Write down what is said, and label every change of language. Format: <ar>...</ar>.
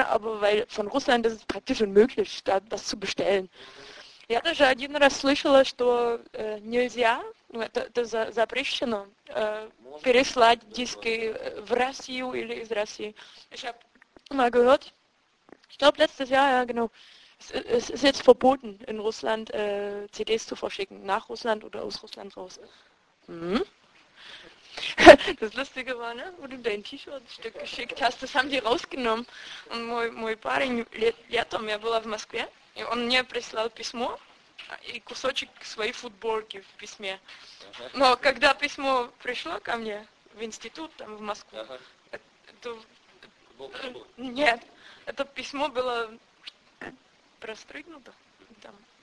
<de>Aber weil von Russland ist es praktisch unmöglich, da das zu bestellen.</de> <ru>Я даже один раз слышала, что нельзя, это запрещено, переслать диски в Россию или из России.</ru> <de>Ich habe mal gehört, ich glaube letztes Jahr, ja genau, es ist jetzt verboten, in Russland CDs zu verschicken, nach Russland oder aus Russland raus. Das Lustige war, ne, wo du dein T-Shirt-Stück geschickt hast, das haben die rausgenommen. Und</de> <ru>мой парень летом, я была в Москве, и он мне прислал письмо и кусочек своей футболки в письме. Но когда письмо пришло ко мне в институт, там в Москву, это нет, это письмо было простригнуто там.</ru>